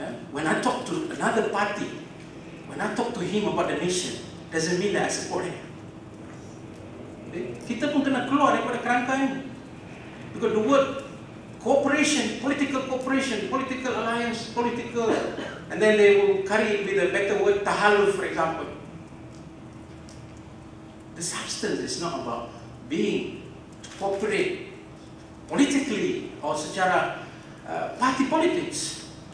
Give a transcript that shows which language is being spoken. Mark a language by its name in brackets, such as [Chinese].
[English] When I talk to another party, when I talk to him about the nation, doesn't mean that I support him. [Malay] Kita pun kena keluar daripada kerangka ini. [English] Because the word cooperation, political alliance, political, and then they will carry it with a better word, tahaluf, for example. The substance is not about being to cooperate politically or [Malay] secara [English] party politics.